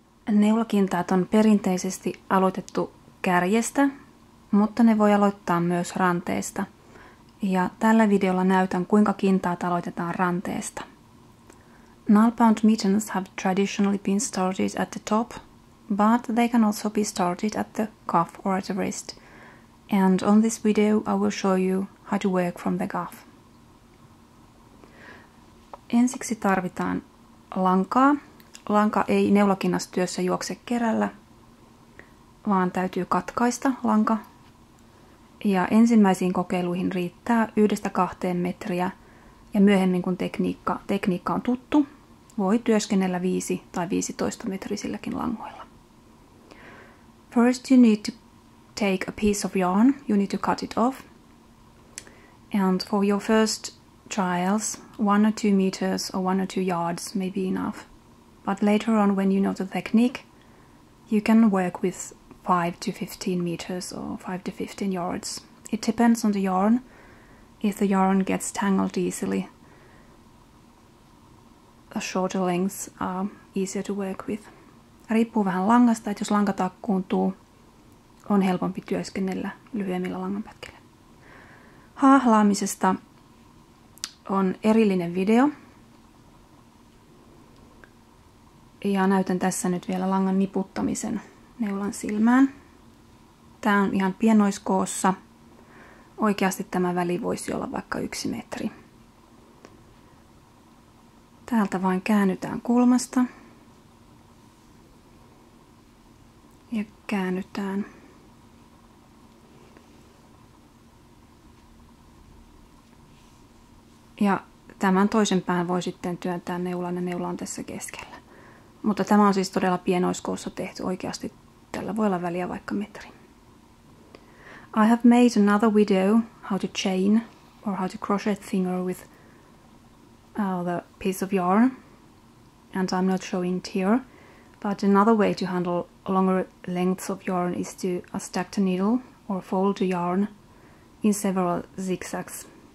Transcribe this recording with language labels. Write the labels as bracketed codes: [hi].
[fi] Neulakintaat on perinteisesti aloitettu kärjestä, mutta ne voi aloittaa myös ranteesta. Ja tällä videolla näytän, kuinka kintaat aloitetaan ranteesta. [en] Null-bound mittens have traditionally been started at the top, but they can also be started at the cuff or at the wrist. And on this video I will show you how to work from the cuff. [fi] Ensiksi tarvitaan lankaa. Lanka ei neulakinnastyössä juokse kerällä, vaan täytyy katkaista lanka. Ja ensimmäisiin kokeiluihin riittää 1–2 metriä. Ja myöhemmin, kun tekniikka on tuttu, voi työskennellä 5 tai 15 metrisilläkin langoilla. [en] First you need to take a piece of yarn. You need to cut it off. And for your first trials, 1 or 2 meters or 1 or 2 yards may be enough. But later on, when you know the technique, you can work with 5 to 15 meters or 5 to 15 yards. It depends on the yarn. If the yarn gets tangled easily, a shorter lengths are easier to work with. [fi] Riippuu vähän langasta, että jos lanka takkuuntuu, on helpompi työskennellä lyhyemmillä langanpätkillä. Haahlaamisesta on erillinen video. Ja näytän tässä nyt vielä langan niputtamisen neulan silmään. Tämä on ihan pienoiskoossa. Oikeasti tämä väli voisi olla vaikka 1 metri. Täältä vain käännytään kulmasta. Ja käännytään. Ja tämän toisen pään voi sitten työntää neulan, ja neula on tässä keskellä. Mutta tämä on siis todella pienoiskoossa tehty oikeasti. Tällä voi olla väliä vaikka metri. [en] I have made another video how to chain or how to crochet finger with the piece of yarn. And I'm not showing it here. But another way to handle longer lengths of yarn is to stack the needle or fold the yarn in several zigzags.